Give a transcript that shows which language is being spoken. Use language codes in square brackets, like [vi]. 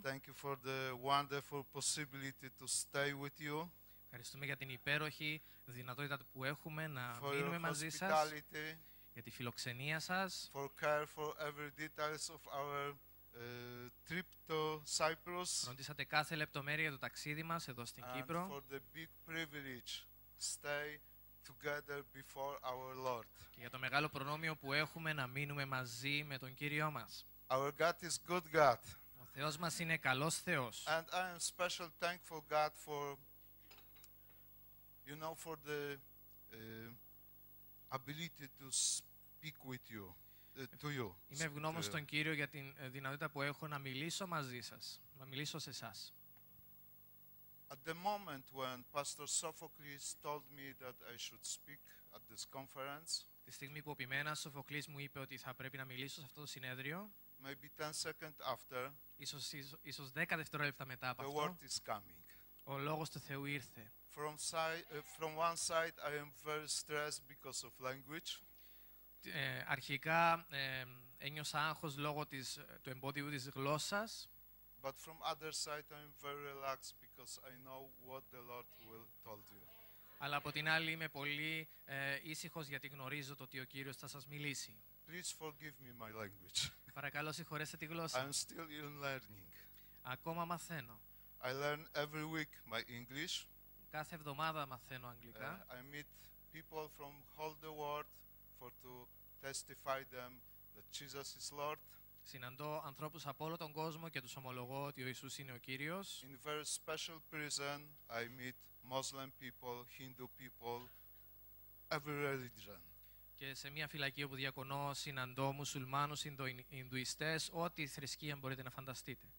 [en] Thank you for the wonderful possibility to stay with you. [el] Ευχαριστούμε για την υπέροχη δυνατότητα που έχουμε να μείνουμε μαζί σας. Για τη φιλοξενία σας. [en] For care for every details of our trip to Cyprus. [el] Ρωτήσατε κάθε λεπτομέρεια το ταξίδι μας εδώ στην Κύπρο. [en] And for the big privilege stay together before our Lord. [el] Και για το μεγάλο προνόμιο που έχουμε να μείνουμε μαζί με τον Κύριό μας. [en] Our God is good God. [el] Ο Θεός μας είναι καλός Θεός. [en] And I am special thankful God for you know for the ability to speak with you, to you. [el] Είμαι ευγνώμων στον Κύριο για την δυνατότητα που έχω να μιλήσω μαζί σας, να μιλήσω σε εσάς. [en] At the moment when Pastor Sophocles told me that I should speak at this conference, [el] τη στιγμή που ο ποιμένας Σοφοκλής μου είπε ότι θα πρέπει να μιλήσω σε αυτό το συνέδριο, [en] maybe 10 seconds after, [el] ίσως 10 δευτερόλεπτα μετά από αυτό, [en] the word is coming. [el] Ο λόγος του Θεού ήρθε. [en] From one side, I am very stressed because of language. [el] Αρχικά ένιωσα άγχος λόγω του εμπόδιου της γλώσσας. [en] But from other side, I am very relaxed because I know what the Lord will told you. [el] Αλλά από την άλλη είμαι πολύ ήσυχος γιατί γνωρίζω το ότι ο Κύριος θα σας μιλήσει. [en] Please forgive me my language. [el] Παρακαλώ συγχωρέστε τη γλώσσα. [en] I'm still in learning. [el] Ακόμα μαθαίνω. [en] I learn every week my English. [el] Κάθε εβδομάδα μαθαίνω αγγλικά. [en] I meet people from all the world for to testify them that Jesus is Lord. [el] Συναντώ ανθρώπους από όλο τον κόσμο και τους ομολογώ ότι ο Ιησούς είναι ο Κύριος. [en] In very special prison, I meet Muslim people, Hindu people, every religion. [el] Και σε μια φυλακή όπου διακονώ, συναντώ μουσουλμάνους, Ινδουιστές, ό,τι θρησκεία μπορείτε να φανταστείτε.